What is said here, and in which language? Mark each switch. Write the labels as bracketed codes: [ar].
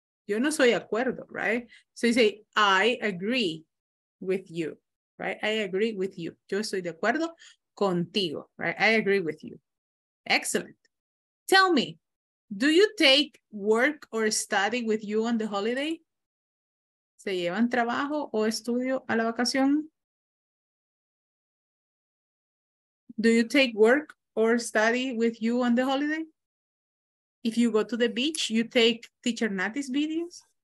[es] Yo no soy acuerdo, [en] right? So you say, I agree with you, right? I agree with you. [es] Yo soy de acuerdo contigo, [en] right? I agree with you. Excellent. Tell me, do you take work or study with you on the holiday? [es] ¿Se llevan trabajo o estudio a la vacación? [en] Do you take work or study with you on the holiday? If you go to the beach, you take Teacher Nati's videos?